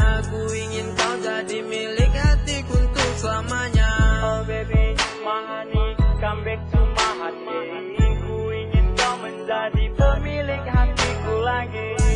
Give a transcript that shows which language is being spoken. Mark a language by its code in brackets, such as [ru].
[id] Ku ingin kau jadi milik hatiku untuk selamanya. [en] Oh baby, mahani, come back to my heart. [id] Ku ingin kau menjadi pemilik hatiku lagi.